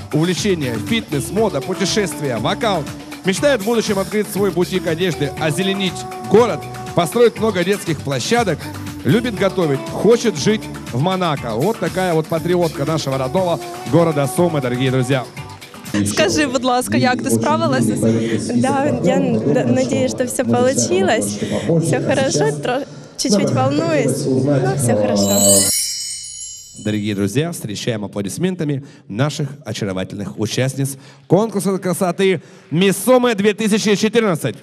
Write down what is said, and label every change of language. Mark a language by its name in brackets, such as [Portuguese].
[Russian] Увлечение, фитнес, мода, путешествия, вокал. Мечтает в будущем открыть свой бутик одежды, озеленить город, построить много детских площадок. Любит готовить, хочет жить в Монако. Вот такая вот патриотка нашего родного города Сумы, дорогие друзья. [Ukrainian] Скажи, будь ласка, як ти справилася? [Russian] Да, я надеюсь, что все получилось. Все хорошо, чуть-чуть волнуюсь, но все хорошо. Дорогие друзья, встречаем аплодисментами наших очаровательных участниц конкурса красоты «Мисс Сумы 2014».